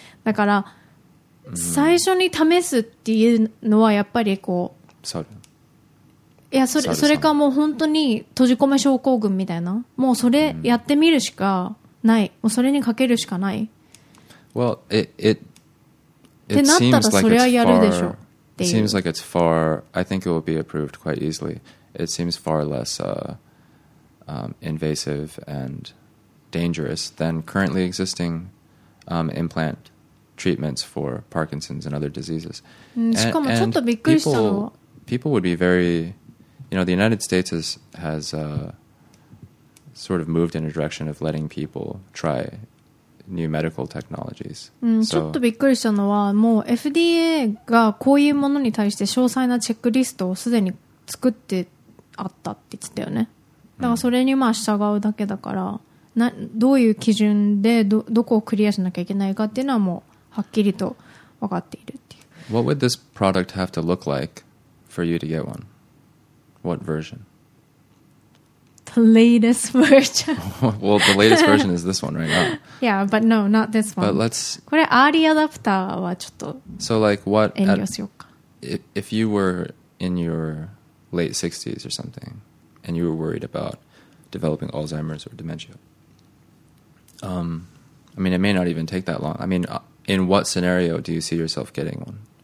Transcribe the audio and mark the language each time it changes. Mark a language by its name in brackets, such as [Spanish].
[Japanese] だから最初に試すっていうのはやっぱりこう、うん、いやそれかもう本当に閉じ込め症候群みたいな、もうそれやってみるしかない、もうそれにかけるしかない。 [English] Well, it seems like it's far [Japanese] ってなったらそれはやるでしょ。 [English] It seems like it's far, I think it will be approved quite easily. It seems far less invasive and dangerous than currently existing implant treatments for Parkinson's and other diseases. And people would be very, you know, the United States has sort of moved in a direction of letting people try New medical technologies. [Japanese] ちょっとびっくりしたのは、もう FDA がこういうものに対して詳細なチェックリストをすでに作ってあったって言ってたよね。だからそれにまあ従うだけだから、どういう基準でどこをクリアしなきゃいけないかっていうのはもうはっきりと分かっているっていう。 [English] What would this product have to look like for you to get one? What version? The latest version. Well, the latest version is this one right now. Yeah, but no, not this one. But let's... [Japanese] これアーリーアダプターはちょっと [English] So like what... [Japanese] 遠慮しようか。 [English] If you were in your late 60s or something, and you were worried about developing Alzheimer's or dementia, I mean, it may not even take that long. I mean, in what scenario do you see yourself getting one?